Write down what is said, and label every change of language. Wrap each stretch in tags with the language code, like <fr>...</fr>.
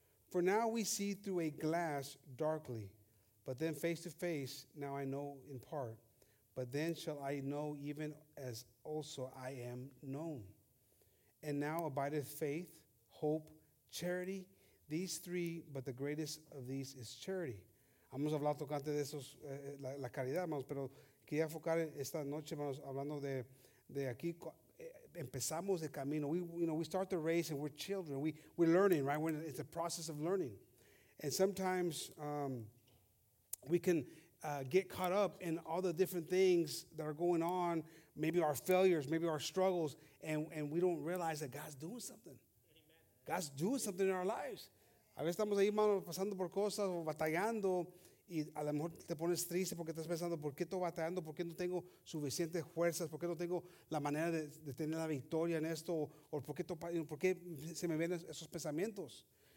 <en>For now we see through a glass darkly. But then face to face, now I know in part. But then shall I know even as also I am known. And now abideth faith, hope, charity. These three, but the greatest of these is charity.</en> <es>Vamos a hablar tocante de esos, la caridad, hermanos. Pero quería enfocar esta noche, hermanos, hablando de aquí. Empezamos el camino.</es> <en>We start the race and we're children. We're learning, right? It's a process of learning. And sometimes we can get caught up in all the different things that are going on, maybe our failures, maybe our struggles, and we don't realize that God's doing something. Amen. God's doing something in our lives.</en> <es>A veces estamos ahí, hermano, pasando por cosas o batallando, y a lo mejor te pones triste porque estás pensando, ¿por qué estoy batallando? ¿Por qué no tengo suficientes fuerzas? ¿Por qué no tengo la manera de tener la victoria en esto? ¿O por qué se me vienen esos pensamientos?</es>